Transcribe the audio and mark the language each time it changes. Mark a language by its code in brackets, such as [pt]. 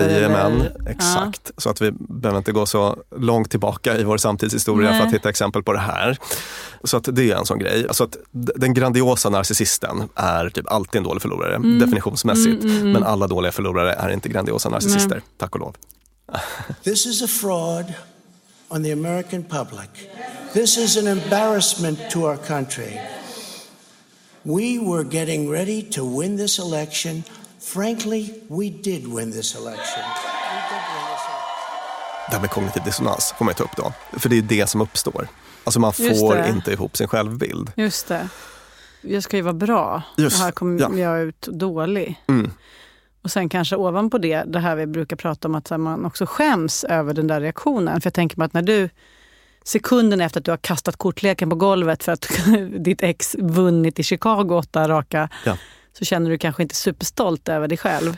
[sv] Jajamän, exakt. Ja. Så att vi behöver inte gå så långt tillbaka i vår samtidshistoria för att hitta exempel på det här. Så att det är en sån grej. Alltså att den grandiosa narcissisten är typ alltid en dålig förlorare, definitionsmässigt. Mm. Men alla dåliga förlorare är inte grandiosa narcissister, tack och lov. [en] This is a fraud on the American public. This is an embarrassment to our country. We were getting ready to win this election. Frankly, we did win this election. [sv] Det här med kognitiv dissonans får man ta upp då. För det är det som uppstår. Alltså man får inte ihop sin självbild. Just det. Jag ska ju vara bra. Just, här kommer jag ut dålig. Mm. Och sen kanske ovanpå det här vi brukar prata om, att man också skäms över den där reaktionen. För jag tänker mig att när du, sekunden efter att du har kastat kortleken på golvet för att ditt ex vunnit i Chicago 8 raka, så känner du kanske inte superstolt över dig själv.